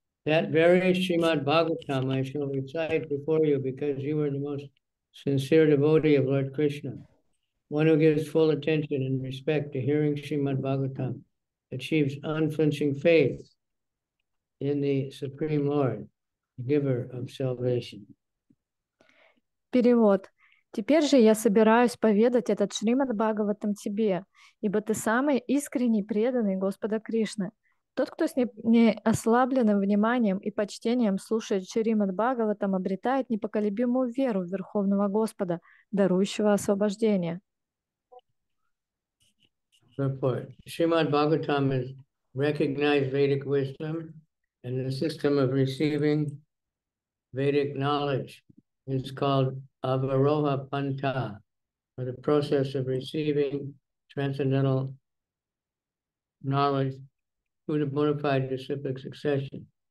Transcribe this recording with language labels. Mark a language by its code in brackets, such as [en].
[en] That very Srimad Bhagavatam I shall recite before you because you are the most sincere devotee of Lord Krishna, one who gives full attention and respect to hearing Srimad Bhagavatam, achieves unflinching faith in the Supreme Lord, the giver of salvation. [ru] Перевод. Теперь же я собираюсь поведать этот Шримад Бхагаватам тебе, ибо ты самый искренний преданный Господа Кришны, Тот, кто с неослабленным вниманием и почтением слушает Шримад Бхагаватам, обретает непоколебимую веру в Верховного Господа, дарующего освобождение. [en] Report. Srimad Bhagavatam is recognized Vedic wisdom and the system of receiving Vedic knowledge is called Avaroha Panta, or the process of receiving transcendental knowledge through the bona fide disciplic succession.